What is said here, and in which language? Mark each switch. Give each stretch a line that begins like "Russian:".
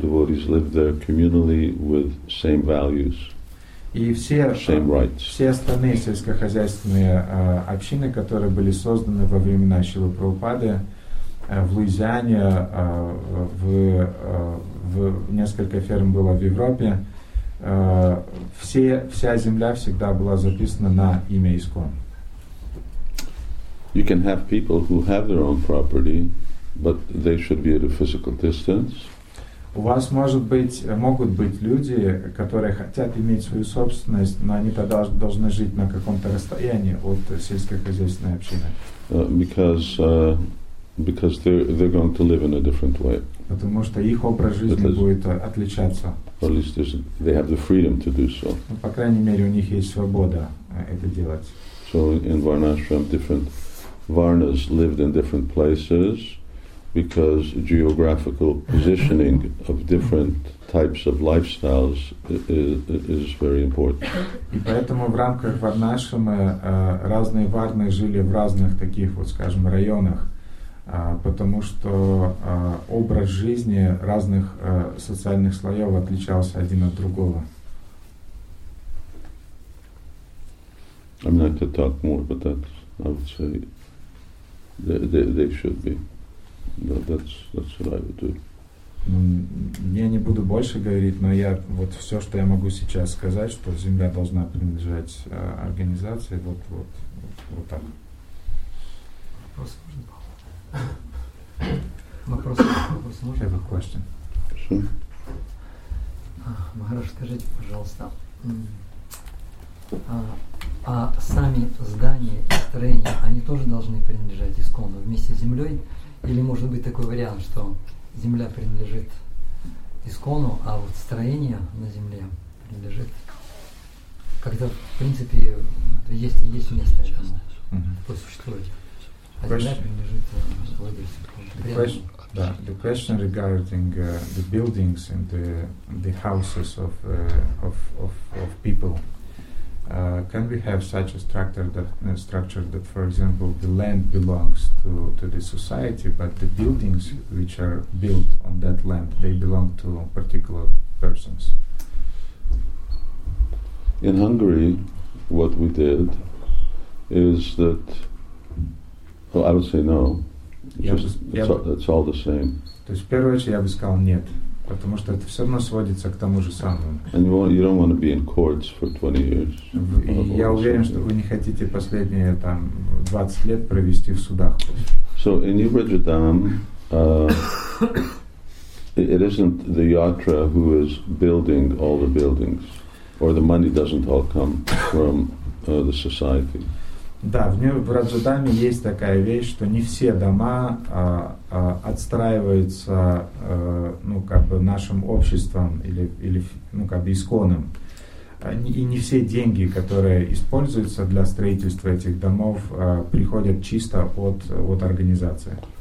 English: Devotees lived there communally with same values, same rights.
Russian: Все остальные сельскохозяйственные общины, которые были созданы во времена Шрилы Прабхупады, в Луизиане, в несколько ферм было в Европе, вся земля всегда была записана на имя ИСКОН.
English: You can have people who have their own property, but they should be at a physical distance.
Russian: У вас могут быть люди, которые хотят иметь свою собственность, но они тогда должны жить на каком-то расстоянии от сельскохозяйственной общины.
English: Because they're going to live in a different way.
Russian: Потому что их образ жизни будет отличаться.
English: Or at least they have the freedom to do so.
Russian: По крайней мере, у них есть свобода это делать.
English: So in Varnashram, different Varnas lived in different places because geographical positioning of different types of lifestyles is very important.
Russian: И поэтому в рамках Варнашрама разные варны жили в разных таких вот, скажем, районах, потому что образ жизни разных социальных слоев отличался один от другого.
English: I'm not to talk more, but that's, I would say, they should be. That's what I would do.
Russian: Я не буду больше говорить, но я вот все, что я могу сейчас сказать, что земля должна принадлежать организации, вот так. Вопрос можно, Павел? Вопрос можно?
English: Have a question. Sure.
Russian: Махараш, скажите, пожалуйста, а сами здания и строения, они тоже должны принадлежать ИСКОНу вместе с землей? Или может быть такой вариант, что земля принадлежит ИСКОНу, а вот строение на земле принадлежит? Когда, в принципе, есть место, что такое существует. А земля принадлежит владельцу ИСКОНу.
English: The question regarding the buildings and the houses of people. Can we have such a structure that, for example, the land belongs to the society, but the buildings which are built on that land, they belong to particular persons? In Hungary, what we did is that, well, I would say no, it's all the same.
Russian: То есть, в первую очередь, я бы сказал нет, потому что это все равно сводится к тому же самому.
English: And you don't want to be in courts for 20 years.
Russian: Я уверен, что вы не хотите последние там 20 лет провести в судах.
English: So in New Bridgetown, it isn't the yatra who is building all the buildings, or the money doesn't all come from the society.
Russian: Да, в Раджадаме есть такая вещь, что не все дома отстраиваются, ну, как бы нашим обществом или ну, как бы исконом. И не все деньги, которые используются для строительства этих домов, приходят чисто от организации.